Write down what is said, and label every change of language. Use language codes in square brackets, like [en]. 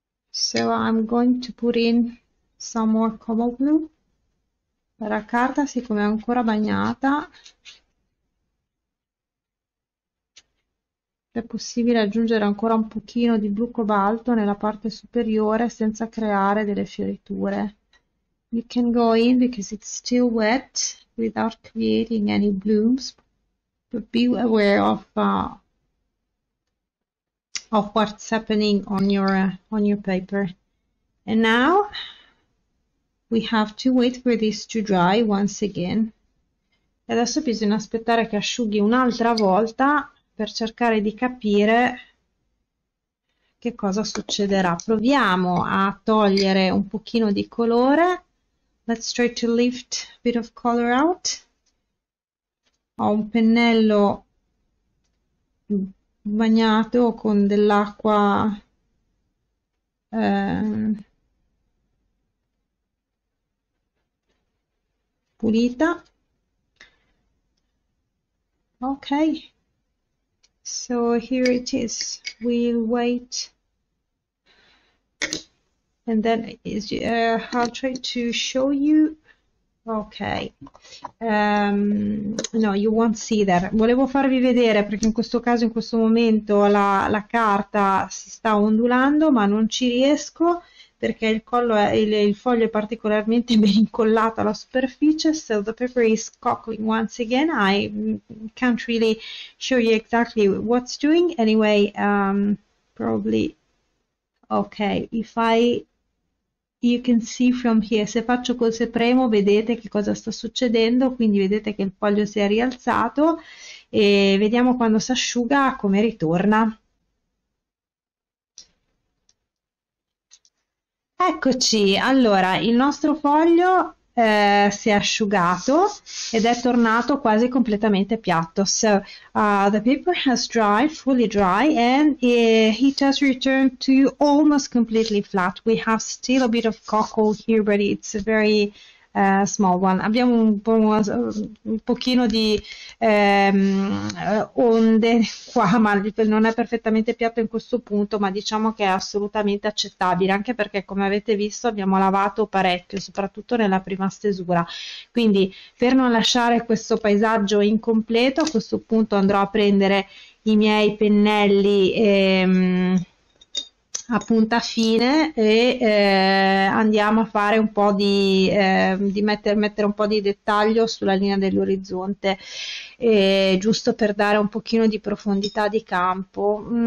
[en] So I'm going to put in some more cobalt blue. [it] La carta, siccome è ancora bagnata, è possibile aggiungere ancora un pochino di blu cobalto nella parte superiore senza creare delle fioriture. [en] You can go in because it's still wet without creating any blooms. But be aware of what's happening on your paper. And now we have to wait for this to dry once again. [it] adesso bisogna aspettare che asciughi un'altra volta per cercare di capire che cosa succederà. Proviamo a togliere un pochino di colore. [en] Let's try to lift a bit of color out. [it] Ho un pennello bagnato con dell'acqua. Pulita. [en] Okay, so here it is. We'll wait, and then I'll try to show you. Okay, no, you won't see that. [it] Volevo farvi vedere perché in questo caso, in questo momento, la carta si sta ondulando, ma non ci riesco perché il foglio è particolarmente ben incollato alla superficie. [en] So the paper is cockling once again. I can't really show you exactly what's doing. Anyway, probably. Okay, you can see from here. [it] Se faccio così, premo, vedete che cosa sta succedendo. Quindi vedete che il foglio si è rialzato e vediamo quando si asciuga come ritorna. Eccoci, allora il nostro foglio si è asciugato ed è tornato quasi completamente piatto. [en] So, the paper has dried, fully dry, and it has returned to almost completely flat. We have still a bit of cockle here, but it's a very small one. [it] Abbiamo un pochino di onde qua, ma non è perfettamente piatto in questo punto, ma diciamo che è assolutamente accettabile, anche perché, come avete visto, abbiamo lavato parecchio, soprattutto nella prima stesura. Quindi, per non lasciare questo paesaggio incompleto, a questo punto andrò a prendere i miei pennelli a punta fine e andiamo a fare un po' di mettere un po' di dettaglio sulla linea dell'orizzonte, giusto per dare un pochino di profondità di campo.